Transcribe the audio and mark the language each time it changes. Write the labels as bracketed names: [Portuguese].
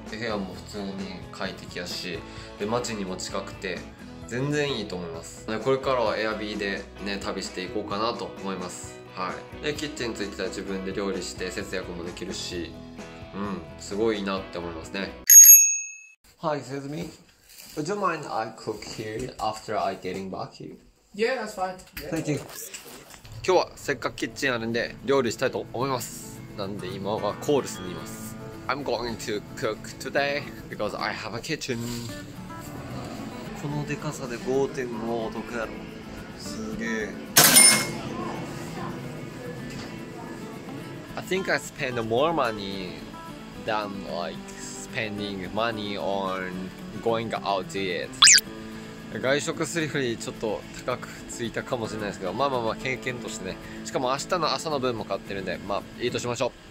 [Japanese] で部屋も普通に快適やし、で街にも近くて全然いいと思います。これからは Airbnb でね、旅していこうかなと思います。はい。でキッチンについてたら自分で料理して節約もできるし、うん、すごいいいなって思いますね。 [English] Hi, excuse me. Would you mind I cook here after I getting back here? Yeah, that's fine. Thank you. [Japanese] 今日はせっかくキッチンあるんで料理したいと思います。なんで今はコールスにいます。 [English] I'm going to cook today because I have a kitchen. [Japanese] このデカさで 5.5 お得やろ。すげえ。 [English] I think I spend more money than like spending money on going out yet. [Japanese] 外食するよりちょっと高くついたかもしれないですけど、まあまあまあ経験としてね。しかも明日の朝の分も買ってるんで、まあいいとしましょう。